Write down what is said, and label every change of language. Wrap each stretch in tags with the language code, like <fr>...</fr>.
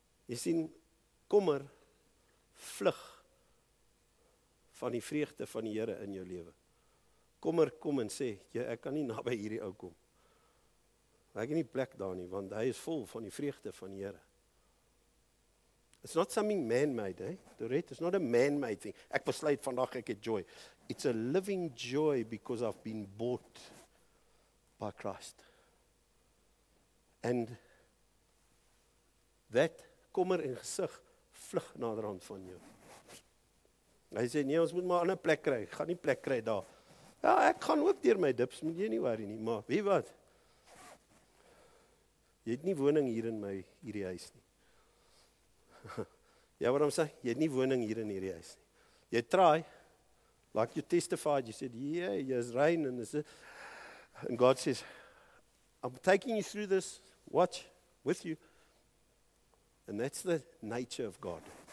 <af>Jy sien, kommer vlug van die vreugde van die Here in jou lewe. Kommer kom en sê, jy, ek kan nie naby hierdie ou kom. Ek het nie plek daar nie, want hy is vol van die vreugde van die Here.</af> <en>It's not something man-made, eh? Dorette, it's not a man-made thing.</en> <af>Ek besluit vandag ek het joy.</af> <en>It's a living joy because I've been bought by Christ. And that</en> <af>kommer en gesig vlug naderhand van jou. Hy sê, nee, ons moet maar ander plek kry. Ek gaan nie plek kry daar. Ja, ek gaan ook deur my dips, moet jy nie worry nie, maar weet wat? Jy het nie woning hier in my, hierdie huis nie. Ja, waarom sê? Jy het nie woning hier in hierdie huis nie.</af> <en>Jy try, like you testified, you said, yeah, there's rain, and this. And God says, I'm taking you through this, watch, with you. And that's the nature of God.</en>